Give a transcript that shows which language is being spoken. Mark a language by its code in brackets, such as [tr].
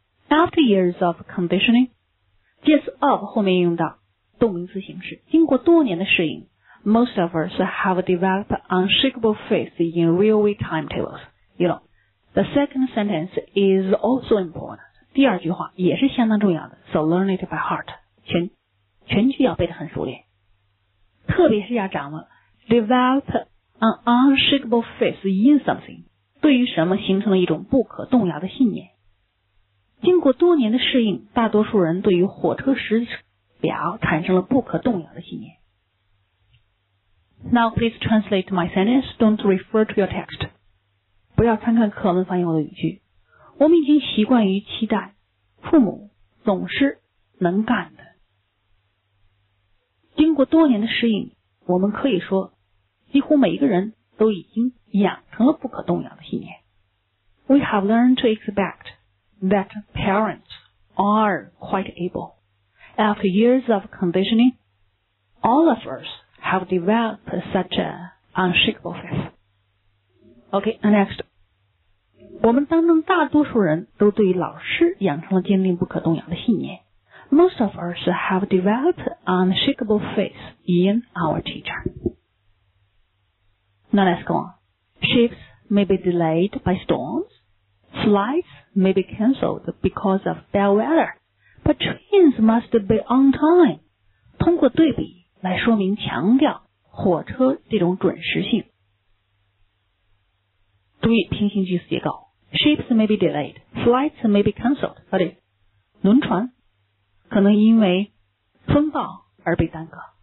[en] After years of conditioning， [zh] 介词 of 后面用到动名词形式。经过多年的适应， [en] most of us have developed unshakable faith in railway timetables. You know, the second sentence is also important. [zh] 第二句话也是相当重要的。 [en] So learn it by heart. [zh] 全句要背得很熟练。特别是要掌握 [en] develop an unshakable faith in something， [zh] 对于什么形成了一种不可动摇的信念。经过多年的适应，大多数人对于火车时表产生了不可动摇的信念。 [en] Now please translate my sentence. Don't refer to your text. [zh] 不要参看课文翻译我的语句。我们已经习惯于期待父母总是能干的。经过多年的适应，我们可以说几乎每一个人都已经养成了不可动摇的信念。 [en] We have learned to expect that parents are quite able. After years of conditioning, all of us have developed such an unshakable faith. OK, next. [zh] 我们当中大多数人都对于老师养成了坚定不可动摇的信念。 [en] Most of us have developed unshakable faith in our teacher. Now let's go on. Ships may be delayed by storms. Flights may be canceled because of bad weather. But trains must be on time. [zh] 通过对比来说明强调火车这种准时性。注意平行句子结构。 [en] Ships may be delayed. Flights may be cancelled. [zh] 对不对？轮船可能因为风暴而被耽搁。